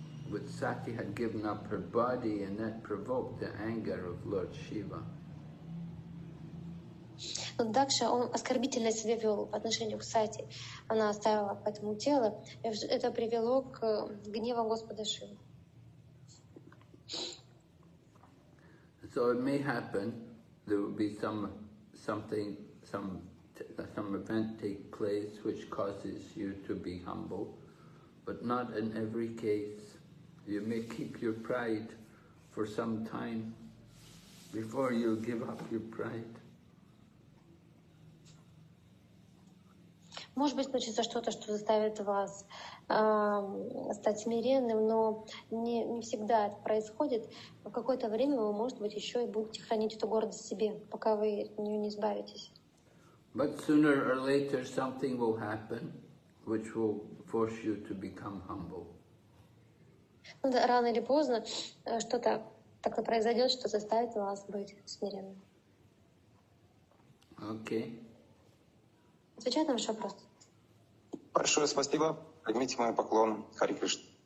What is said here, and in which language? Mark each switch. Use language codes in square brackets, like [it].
[en] With Sati had given up her body, and that provoked the anger of Lord Shiva. [ru] Но Дакша, он оскорбительно себя вел по отношению к Сати. Она оставила поэтому тело. И это привело к гневу Господа Шивы. [en] So it may happen there will be some something some event take place which causes you to be humble, but not in every case. You may keep your pride for some time before you give up your pride. [ru] Может быть, случится что-то, что заставит вас стать смиренным, но не всегда это происходит. В какое-то время вы, может быть, еще и будете хранить эту гордость себе, пока вы от нее не избавитесь. [en] But sooner or later something will happen, which will force you to become humble. [ru] Ну, да, рано или поздно что-то так произойдет, что заставит вас быть смиренным. [en] Okay. [ru] Отвечай на ваш вопрос. Большое спасибо. Примите мой поклон. Хари Кришна.